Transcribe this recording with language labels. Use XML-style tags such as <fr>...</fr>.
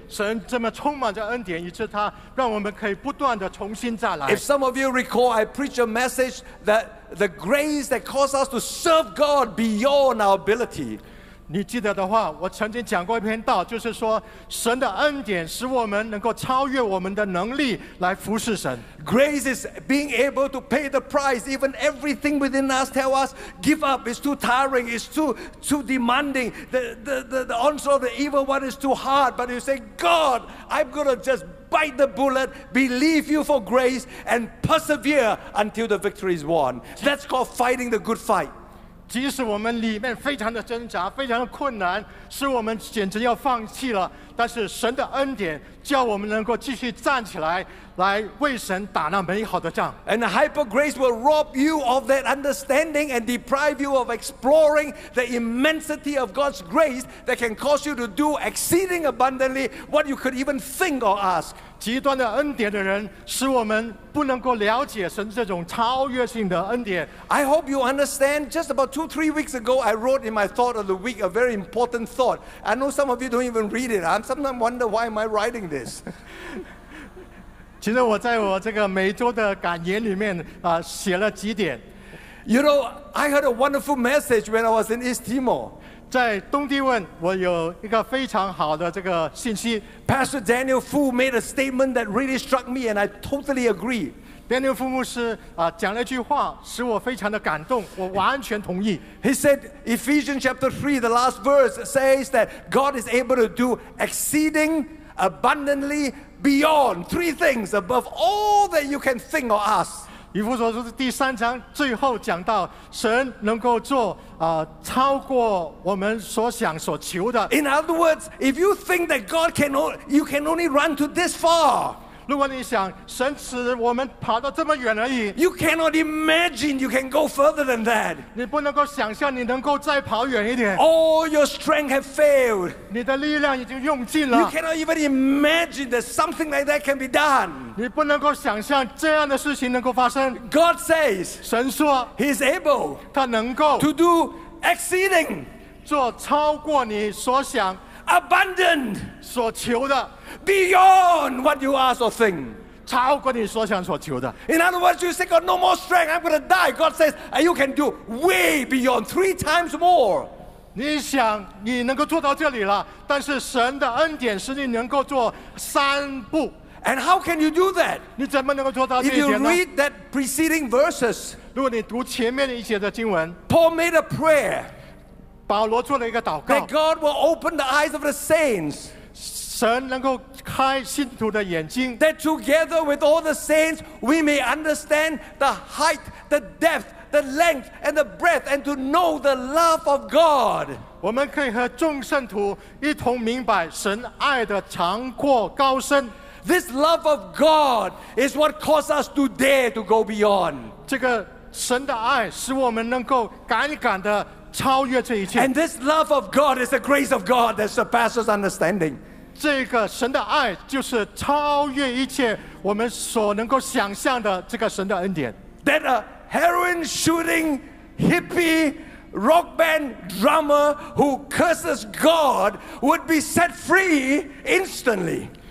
<zh>神这么充满着恩典，以致他让我们可以不断的重新再来。</zh> <en>If some of you recall, I preached a message that the grace that caused us to serve God beyond our ability.</en> <zh>你记得的话，我曾经讲过一篇道，就是说神的恩典使我们能够超越我们的能力来服侍神。</zh> <en>Grace is being able to pay the price. Even everything within us tell us, give up. It's too tiring. It's too demanding. The onslaught of the evil one is too hard. But you say, God, I'm gonna just bite the bullet, believe you for grace, and persevere until the victory is won. That's called fighting the good fight.</en> <zh>即使我们里面非常的挣扎，非常的困难，使我们简直要放弃了，但是神的恩典叫我们能够继续站起来，来为神打那美好的仗。</zh> <en>And hyper grace will rob you of that understanding and deprive you of exploring the immensity of God's grace that can cause you to do exceeding abundantly what you could even think or ask.</en> <zh>极端的恩典的人使我们不能够了解神这种超越性的恩典。</zh> <en>I hope you understand. Just about 2-3 weeks ago, I wrote in my thought of the week a very important thought. I know some of you don't even read it. I sometimes wonder why am I writing this.</en> <zh>其实我在我这个每周的感言里面啊，写了几点。</zh> <en>You know, I heard a wonderful message when I was in East Timor.</en> <zh>在东帝汶，我有一个非常好的这个信息。</zh> <en>Pastor Daniel Fu made a statement that really struck me, and I totally agree.</en> <zh>Daniel Fu 牧师啊，讲了一句话，使我非常的感动，我完全同意。</zh> <en>He said, Ephesians chapter 3, the last verse says that God is able to do exceeding abundantly. Beyond three things above all that you can think or ask.</en> <zh>以弗所书第三章最后讲到，神能够做啊超过我们所想所求的。</zh> <en>In other words, if you think that God can, you can only run to this far.</en> <zh>如果你想神使我们跑到这么远而已。</zh> <en>You cannot imagine you can go further than that.</en> <zh>你不能够想象你能够再跑远一点。</zh> <en>All your strength has failed.</en> <zh>你的力量已经用尽了。</zh> <en>You cannot even imagine that something like that can be done.</en> <zh>你不能够想象这样的事情能够发生。</zh> <en>God says,</en> <zh>神说</zh> <en>He is able,</en> <zh>他能够</zh> <en>to do exceeding,</en> <zh>做超过你所想。</zh> <en>Abundant,</en> <zh>所求的</zh> <en>beyond what you ask or think,</en> <zh>超过你所想所求的。</zh> <en>In other words, you say, "God, no more strength. I'm going to die." God says, "And you can do way beyond, three times more."</en> <zh>你想你能够做到这里了，但是神的恩典使你能够做三步。</zh> <en>And how can you do that?</en> <zh>你怎么能够做到这一点呢？</zh> <en>If you read that preceding verses,</en> <zh>如果你读前面一节的经文</zh> <en>，Paul made a prayer.</en> <zh>保罗做了一个祷告</zh> <en>that God will open the eyes of the saints,</en> <zh>神能够开信徒的眼睛</zh> <en>that together with all the saints, we may understand the height, the depth, the length, and the breadth, and to know the love of God.</en> <zh>我们可以和众圣徒一同明白神爱的长阔高深</zh> <en>This love of God is what caused us to dare to go beyond.</en> <zh>这个神的爱使我们能够敢敢的超越这一切。</zh> <en>And this love of God is the grace of God that surpasses understanding.</en> <zh>这个神的爱就是超越一切我们所能够想象的这个神的恩典。</zh> <en>That a heroin shooting hippie rock band drummer who curses God would be set free instantly.</en>